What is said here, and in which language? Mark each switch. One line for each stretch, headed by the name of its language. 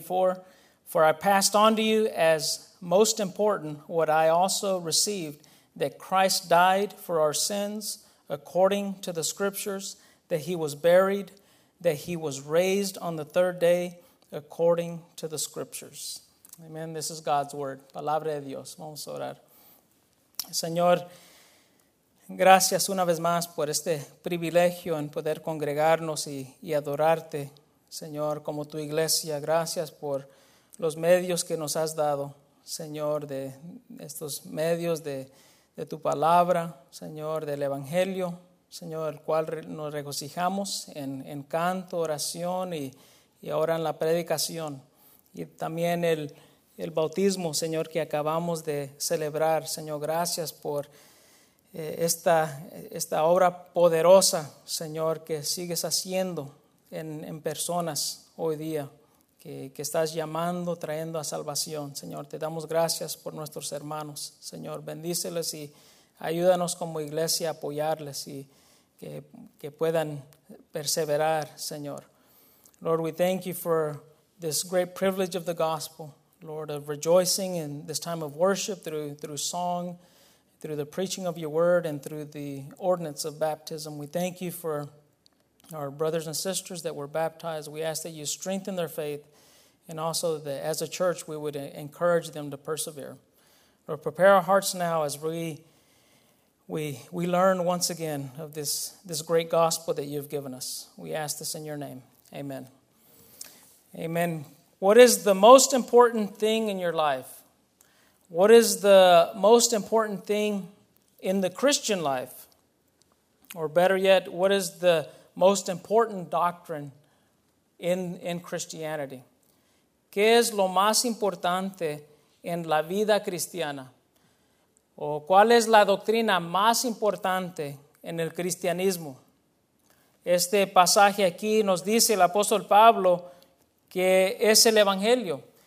English: 24, "For I passed on to you as most important what I also received, that Christ died for our sins according to the Scriptures, that he was buried, that he was raised on the third day according to the Scriptures." Amen. This is God's word.
Spanish: Palabra de Dios. Vamos a orar. Señor, gracias una vez más por este privilegio en poder congregarnos y adorarte, Señor, como tu iglesia. Gracias por los medios que nos has dado, Señor, de estos medios de tu palabra, Señor, del Evangelio, Señor, el cual nos regocijamos en canto, oración y ahora en la predicación. Y también el bautismo, Señor, que acabamos de celebrar. Señor, gracias por esta obra poderosa, Señor, que sigues haciendo en personas hoy día, que estás llamando, trayendo a salvación. Señor, te damos gracias por nuestros hermanos. Señor, bendíceles y ayúdanos como iglesia a apoyarles y que puedan perseverar, Señor.
English: Lord, we thank you for this great privilege of the gospel, Lord, of rejoicing in this time of worship through song, through the preaching of your word, and through the ordinance of baptism. We thank you for our brothers and sisters that were baptized. We ask that you strengthen their faith, and also that as a church, we would encourage them to persevere. Lord, prepare our hearts now as we learn once again of this great gospel that you've given us. We ask this in your name. Amen. Amen. What is the most important thing in your life? What is the most important thing in the Christian life? Or better yet, what is the most important doctrine in Christianity?
Spanish: ¿Qué es lo más importante en la vida cristiana? ¿O cuál es la doctrina más importante en el cristianismo? Este pasaje aquí nos dice el apóstol Pablo que es el Evangelio.